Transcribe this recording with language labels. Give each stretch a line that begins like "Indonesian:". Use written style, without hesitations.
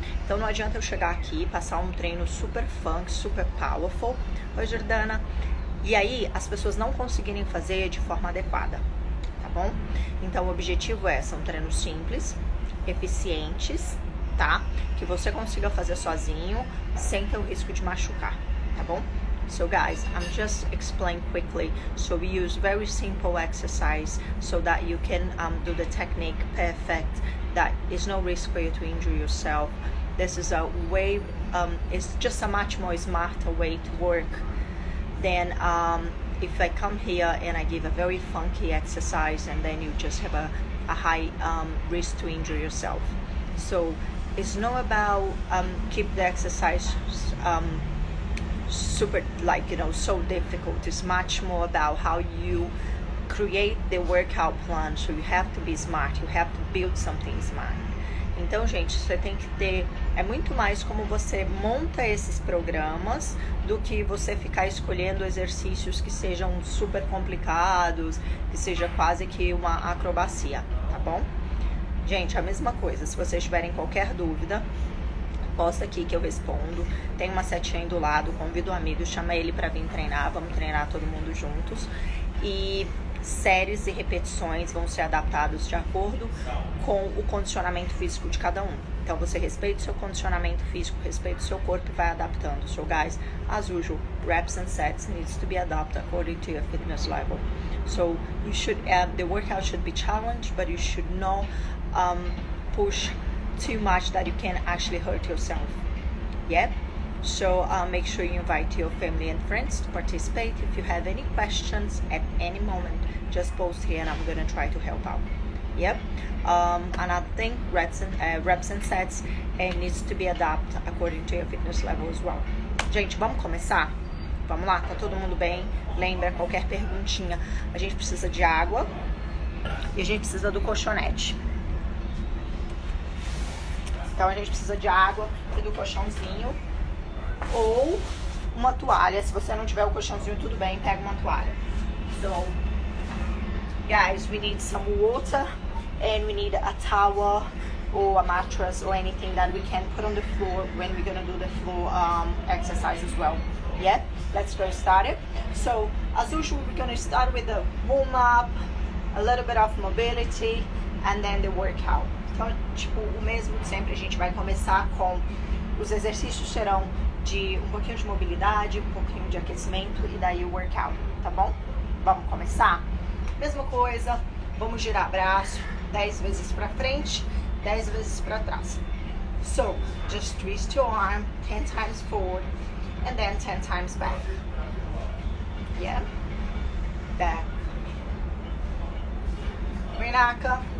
Portuguese: Então não adianta eu chegar aqui, passar um treino super funk, super powerful, oi Jordana, e aí as pessoas não conseguirem fazer de forma adequada, tá bom? Então o objetivo é, são treinos simples, eficientes, tá? Que você consiga fazer sozinho, sem ter o risco de machucar, tá bom?
English: So guys, I'm just explain quickly. So we use very simple exercise so that you can do the technique perfect. That is no risk for you to injure yourself. This is a way. It's just a much more smarter way to work than if I come here and I give a very funky exercise and then you just have a high risk to injure yourself. So it's not about keep the exercise. Super, so difficult. It's much more about how you create the workout plan. So you have to be smart, you have to build something smart.
Portuguese: Então, gente, você tem que ter. É muito mais como você monta esses programas do que você ficar escolhendo exercícios que sejam super complicados, que seja quase que uma acrobacia, tá bom? Gente, a mesma coisa, se vocês tiverem qualquer dúvida. Posta aqui que eu respondo. Tem uma setinha aí do lado. Convido um amigo, chama ele para vir treinar. Vamos treinar todo mundo juntos. E séries e repetições vão ser adaptadas de acordo com o condicionamento físico de cada um. Então você respeita o seu condicionamento físico, respeita o seu corpo e vai adaptando.
English: So guys, as usual, reps and sets needs to be adapted according to your fitness level. So you should add, the workout should be challenged, but you should not push too much that you can actually hurt yourself. Yep. So make sure you invite your family and friends to participate. If you have any questions at any moment, just post here and I'm gonna try to help out. Yep. Another thing, reps and sets, it needs to be adapted according to your fitness level as well.
Portuguese: Gente, vamos começar? Vamos lá, tá todo mundo bem? Lembra, qualquer perguntinha. A gente precisa de água e a gente precisa do colchonete. Então a gente precisa de água e do colchãozinho ou uma toalha. Se você não tiver o colchãozinho, tudo bem, pega uma toalha.
English: So, guys, we need some water and we need a towel or a mattress or anything that we can put on the floor when we're gonna do the floor exercise as well. Yeah, let's go start it. So, as usual, we're gonna start with a warm up, a little bit of mobility, and then the workout.
Portuguese: Então, tipo, o mesmo de sempre, a gente vai começar com os exercícios serão de um pouquinho de mobilidade, um pouquinho de aquecimento e daí o workout, tá bom? Vamos começar? Mesma coisa, vamos girar braço 10 vezes pra frente, 10 vezes pra trás.
English: So, just twist your arm 10 times forward and then 10 times back. Yeah? Back. Renaka.